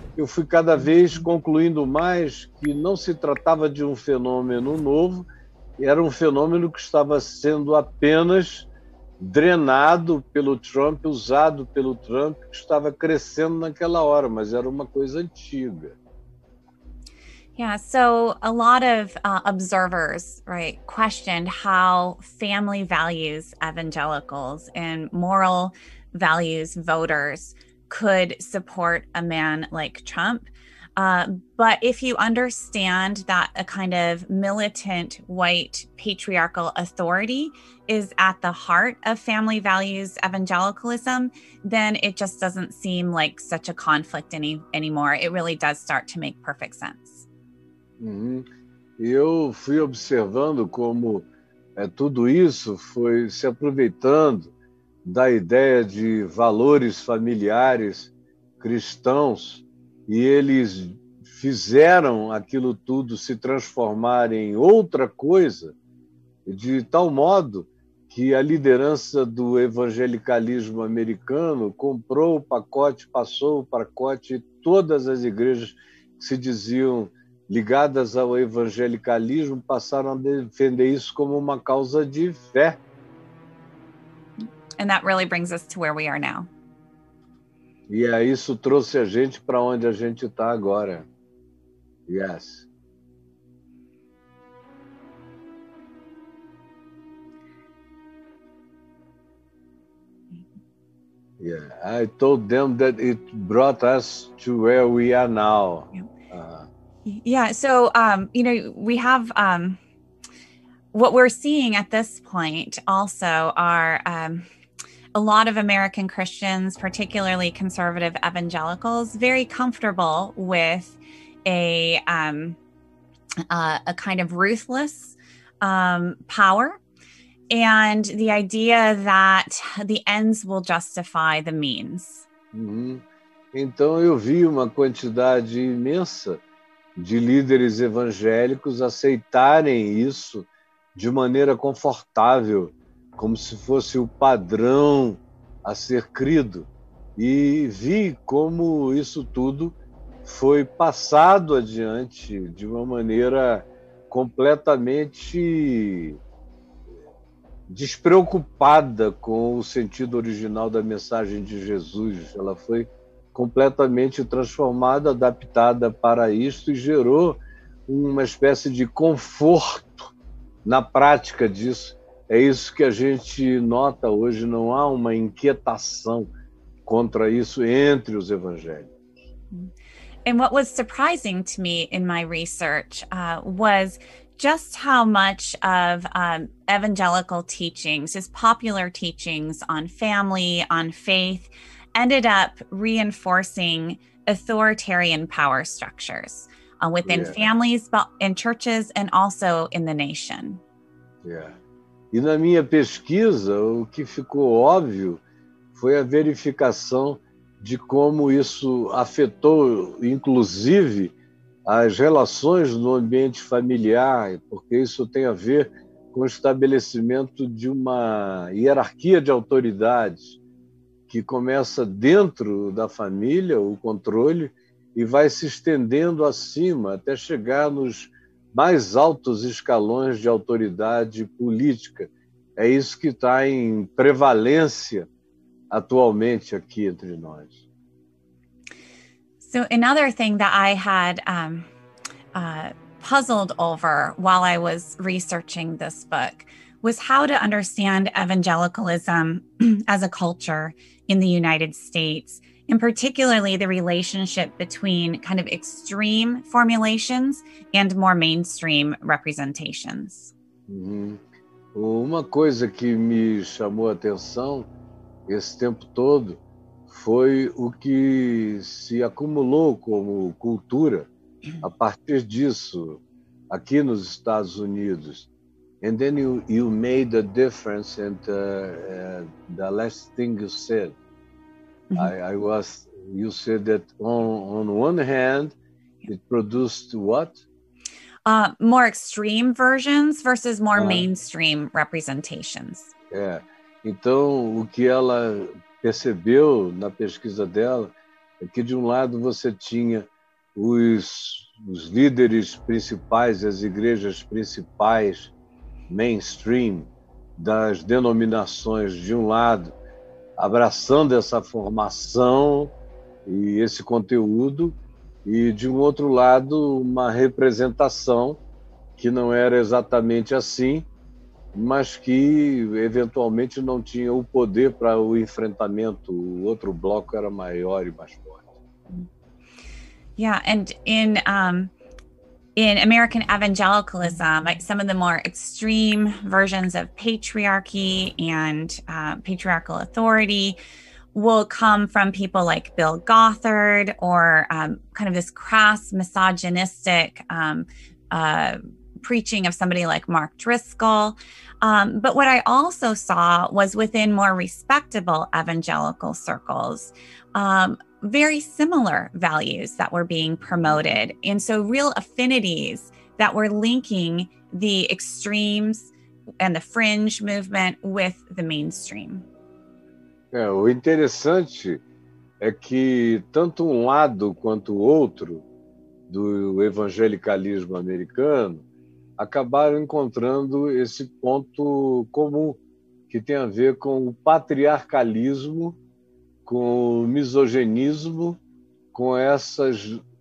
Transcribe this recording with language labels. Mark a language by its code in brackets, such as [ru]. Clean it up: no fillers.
[pt] eu fui cada vez concluindo mais que não se tratava de um fenômeno novo, era um fenômeno que estava sendo apenas drenado pelo Trump, usado pelo Trump, que estava crescendo naquela hora, mas era uma coisa antiga. [en] Yeah, so a lot of observers, right, questioned how family values evangelicals and moral values voters could support a man like Trump. But if you understand that a kind of militant white patriarchal authority is at the heart of family values evangelicalism, then it just doesn't seem like such a conflict anymore. It really does start to make perfect sense. Uhum. [pt] Eu fui observando como tudo isso foi se aproveitando da ideia de valores familiares cristãos, e eles fizeram aquilo tudo se transformar em outra coisa, de tal modo que a liderança do evangelicalismo americano comprou o pacote, passou o pacote, todas as igrejas que se diziam ligadas ao evangelicalismo passaram a defender isso como uma causa de fé. [en] And that really brings us to where we are now. [pt] E é isso trouxe a gente para onde a gente está agora. [en] Yes. Yeah, I told them that it brought us to where we are now. Yeah, so, you know, we have what we're seeing at this point also are a lot of American Christians, particularly conservative evangelicals, very comfortable with a kind of ruthless power and the idea that the ends will justify the means. Mm-hmm. [pt] Então, eu vi uma quantidade imensa de líderes evangélicos aceitarem isso de maneira confortável, como se fosse o padrão a ser crido. E vi como isso tudo foi passado adiante de uma maneira completamente despreocupada com o sentido original da mensagem de Jesus. Ela foi completamente transformada, adaptada para isto e gerou uma espécie de conforto na prática disso. É isso que a gente nota hoje, não há uma inquietação contra isso entre os evangélicos. [en] And what was surprising to me in my research was just how much of evangelical teachings, just popular teachings on family, on faith, ended up reinforcing authoritarian power structures within families, in churches, and also in the nation. Yeah. [pt] E na minha pesquisa, o que ficou óbvio foi a verificação de como isso afetou, inclusive, as relações no ambiente familiar, porque isso tem a ver com o estabelecimento de uma hierarquia de autoridades que começa dentro da família, o controle, e vai se estendendo acima até chegar nos mais altos escalões de autoridade política. É isso que está em prevalência atualmente aqui entre nós. [en] So another thing that I had puzzled over while I was researching this book was how to understand evangelicalism as a culture in the United States, and particularly the relationship between kind of extreme formulations and more mainstream representations. Uhum. [pt] Uma coisa que me chamou a atenção esse tempo todo foi o que se acumulou como cultura a partir disso aqui nos Estados Unidos. [en] And then you made a difference, and the last thing you said, you said that on one hand, it produced what? More extreme versions versus more mainstream representations. [pt] É. Então, o que ela percebeu na pesquisa dela é que de um lado você tinha os líderes principais, as igrejas principais, mainstream, das denominações de um lado, abraçando essa formação e esse conteúdo, e de um outro lado uma representação que não era exatamente assim, mas que eventualmente não tinha o poder para o enfrentamento, o outro bloco era maior e mais forte. [en] Yeah, and in American evangelicalism, some of the more extreme versions of patriarchy and patriarchal authority will come from people like Bill Gothard or kind of this crass misogynistic preaching of somebody like Mark Driscoll. But what I also saw was within more respectable evangelical circles, very similar values that were being promoted. And so real affinities that were linking the extremes and the fringe movement with the mainstream. [pt] É, o interessante é que tanto um lado quanto o outro do evangelicalismo americano acabaram encontrando esse ponto comum que tem a ver com o patriarcalismo, com o misoginismo, com essas